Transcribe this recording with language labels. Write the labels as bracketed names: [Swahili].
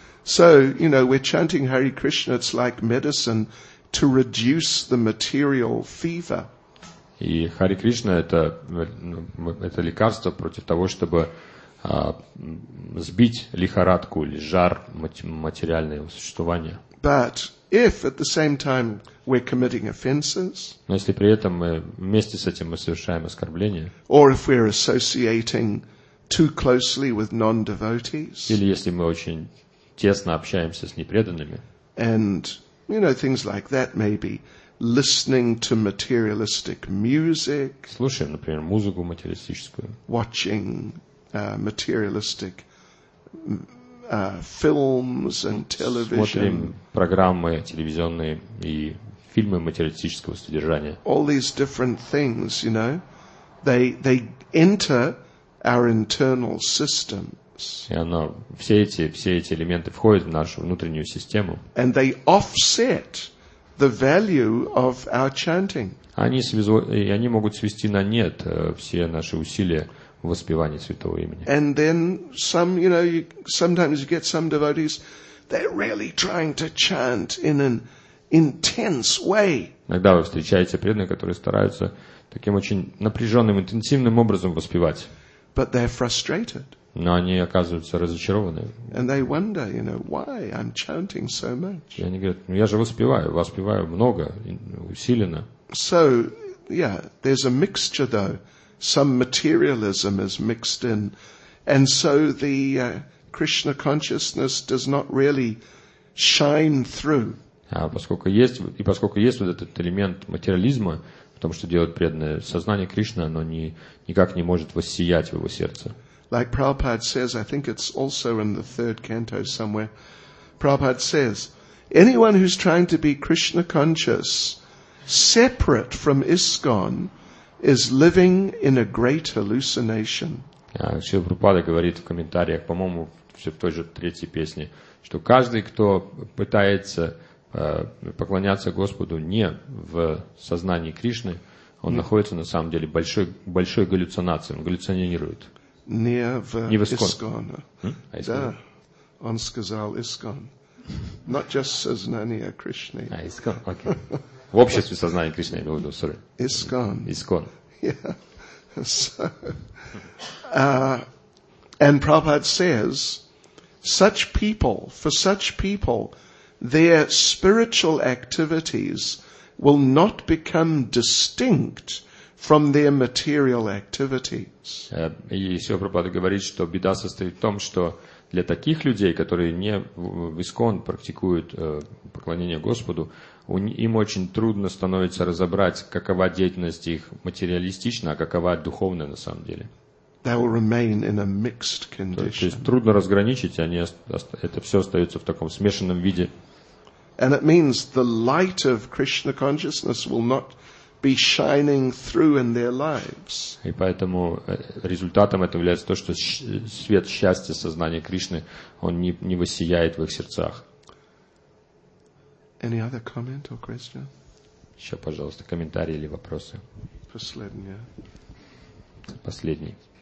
[English] So, you know, we're chanting Hare Krishna, it's like medicine to reduce the material fever. [Russian] И Hare Krishna это лекарство против того, чтобы сбить лихорадку или жар материального существования. [English] But if at the same time we're committing offenses, [Russian] но если при этом мы вместе с этим мы совершаем оскорбления, [English] or if we're associating too closely with non-devotees, [Russian] или если мы очень тесно общаемся с непреданными. [English] And, you know, things like that, maybe listening to materialistic music. [Russian] Слушаем, например, музыку материалистическую. [English] Watching materialistic films and television. [Russian] Смотрим программы телевизионные и фильмы материалистического содержания. [English] All these different things, you know, they enter our internal system. [Russian] И оно, все эти элементы входят в нашу внутреннюю систему. [English] And they offset the value of our chanting. [Russian] Они могут свести на нет все наши усилия в воспевании святого имени. [English] And then some, you know, sometimes you get some devotees, they're really trying to chant in an intense way. [Russian] Иногда вы встречаете преданных, которые стараются таким очень напряженным, интенсивным образом воспевать. [English] But they're frustrated. [Russian] Но они оказываются разочарованы. [English] And they wonder, you know, why I'm chanting so much. [Russian] И они говорят, ну я же воспеваю много, усиленно. [English] So, yeah, there's a mixture though. Some materialism is mixed in. And so the Krishna consciousness does not really shine through. [Russian] Поскольку есть вот этот элемент материализма, в том, что делает преданное сознание Кришны, оно никак не может воссиять в его сердце. [English] Like Prabhupada says, I think it's also in the third canto somewhere, Prabhupada says, anyone who's trying to be Krishna conscious, separate from ISKCON, is living in a great hallucination. [Russian] Шрила Прабхупада говорит в комментариях, по-моему, все в той же третьей песне, что каждый, кто пытается поклоняться Господу не в сознании Кришны, он находится на самом деле в большой галлюцинации, он галлюционирует. Не в ISKCON. Да, он сказал ISKCON. [English] Not just [Russian] сознание Кришны. А, ISKCON, окей. В обществе сознания Кришны, я имею в виду, [English] sorry. ISKCON. ISKCON. Yeah. So, and Prabhupada says, for such people, their spiritual activities will not become distinct from their material activities. [Russian] И Шрила Прабхупада говорит, что беда состоит в том, что для таких людей, которые не в ISKCON практикуют поклонение Господу, им очень трудно становится разобрать, какова деятельность их материалистична, а какова духовная на самом деле. [English] They will remain in a mixed condition. [Russian] То есть трудно разграничить, они это все остается в таком смешанном виде. [English] And it means the light of Krishna consciousness will not be shining through in their lives. [Russian] И поэтому результатом этого является то, что свет счастья сознания Кришны он не воссияет в их сердцах. [English] Any other comment or question? [Russian] Еще, пожалуйста, комментарии или вопросы. Последний.